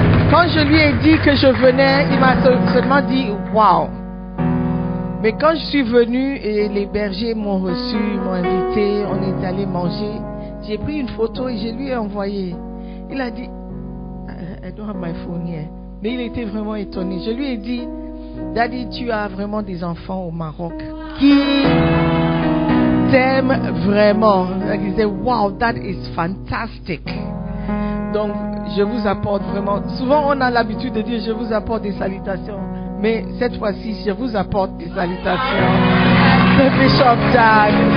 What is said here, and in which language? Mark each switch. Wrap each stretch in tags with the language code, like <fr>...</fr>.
<fr>Quand je lui ai dit que je venais, il m'a seulement dit « Wow ». Mais quand je suis venue et les bergers m'ont reçu, m'ont invité, on est allé manger, j'ai pris une photo et je lui ai envoyé.</fr> <en>Il a dit, I don't have my phone yet.</en> <fr>Mais il était vraiment étonné. Je lui ai dit, Daddy, tu as vraiment des enfants au Maroc qui t'aiment vraiment. Il disait,</fr> <en>wow, that is fantastic.</en> <fr>Donc, je vous apporte vraiment. Souvent, on a l'habitude de dire, je vous apporte des salutations. Mais cette fois-ci, je vous apporte des salutations de Bishop Doug.</fr>